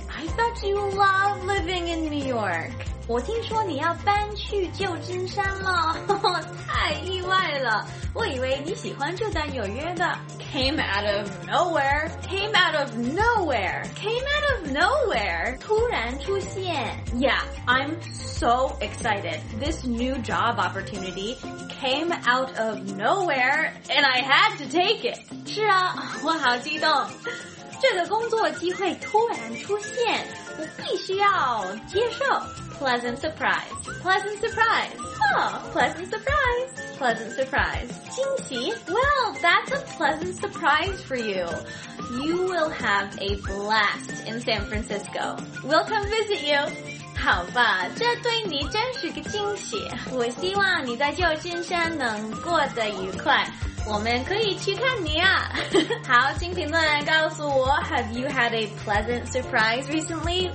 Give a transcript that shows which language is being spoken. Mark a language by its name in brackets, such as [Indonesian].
[English] I thought you love living in New York. [Chinese] 我听说你要搬去旧金山了。太意外了。我以为你喜欢住在纽约的。 [English] Came out of nowhere. Came out of nowhere. Came out of nowhere. [Chinese] 突然出现。 [English] Yeah, I'm so excited. This new job opportunity came out of nowhere and I had to take it. [Chinese] 是啊，我好激动。这个工作机会突然出现，我必须要接受。 [English] Pleasant surprise. Pleasant surprise. Pleasant surprise. Pleasant surprise. [Chinese] 惊喜。 [English] Well, that's a pleasant surprise for you. You will have a blast in San Francisco. We'll come visit you. [Chinese] 好吧，这对你真是个惊喜。我希望你在旧金山能过得愉快。我们可以去看你啊。好，请评论告诉我 [English] Have you had a pleasant surprise recently?